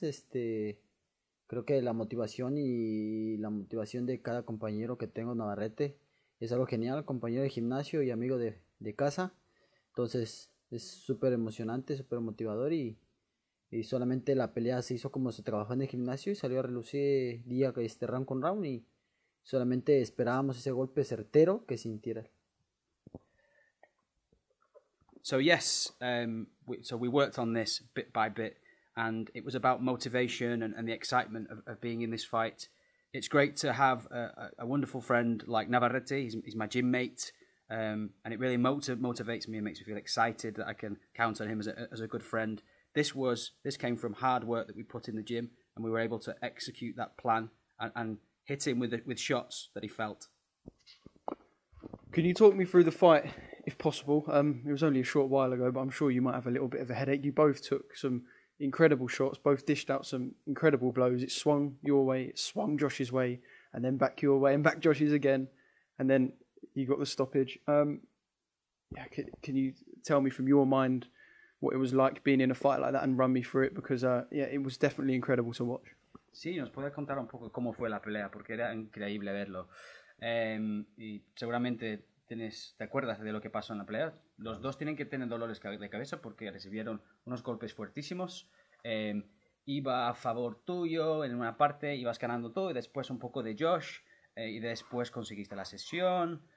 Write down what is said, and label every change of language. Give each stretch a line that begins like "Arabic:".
Spanish: Creo que la motivación y la motivación de cada compañero que tengo, Navarrete, es algo genial, compañero de gimnasio y amigo de casa. Entonces es súper emocionante, súper motivador y solamente la pelea se hizo como se trabajó en el gimnasio y salió a relucir día round con round y solamente esperábamos ese golpe certero que sintiera.
English: So yes, we worked on this bit by bit, and it was about motivation and the excitement of being in this fight. It's great to have a wonderful friend like Navarrete. He's my gym mate. And it really motivates me and makes me feel excited that I can count on him as a good friend. This came from hard work that we put in the gym, and we were able to execute that plan and hit him with shots that he felt. Can you talk me through the fight, if possible? It was only a short while ago, but I'm sure you might have a little bit of a headache. You both took some incredible shots, both dished out some incredible blows. It swung your way, it swung Josh's way, and then back your way and back Josh's again, and then you got the stoppage. Can you tell me from your mind what it was like being in a fight like that and run me through it? Because it was definitely incredible to watch.
Spanish: Sí, nos puede contar un poco cómo fue la pelea, porque era increíble verlo. Y seguramente te acuerdas de lo que pasó en la pelea. Los dos tienen que tener dolores de cabeza porque recibieron unos golpes fuertísimos. Iba a favor tuyo en una parte, ibas ganando todo, y después un poco de Josh, y después conseguiste la sesión.